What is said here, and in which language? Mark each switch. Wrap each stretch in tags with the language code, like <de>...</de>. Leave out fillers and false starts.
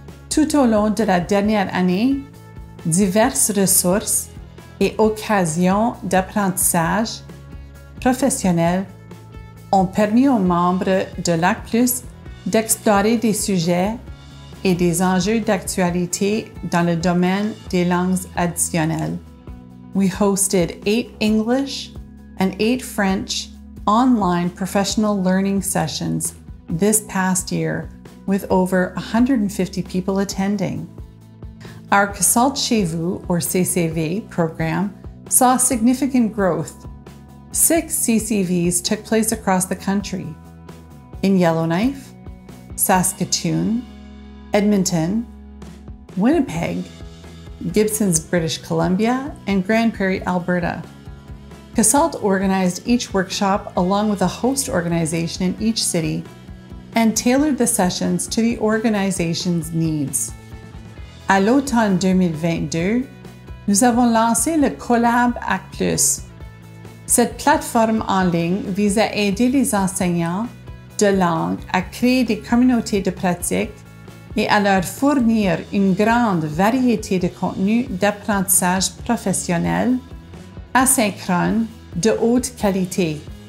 <fr>Tout au long de la dernière année, diverses ressources et occasions d'apprentissage professionnel ont permis aux membres de LACPLUS d'explorer des sujets et des enjeux d'actualité dans le domaine des langues additionnelles.</fr> <en>We hosted 8 English and 8 French online professional learning sessions this past year with over 150 people attending. Our Casalt Chez Vous or CCV program saw significant growth. 6 CCVs took place across the country in Yellowknife, Saskatoon, Edmonton, Winnipeg, Gibson's British Columbia, and Grand Prairie, Alberta. Casalt organized each workshop along with a host organization in each city and tailored the sessions to the organization's needs.</en> <fr>À l'automne 2022, nous avons lancé le Collab ACTUS. Cette plateforme en ligne vise à aider les enseignants de langue à créer des communautés de pratique et à leur fournir une grande variété de contenus d'apprentissage professionnel asynchrone de haute qualité.</fr>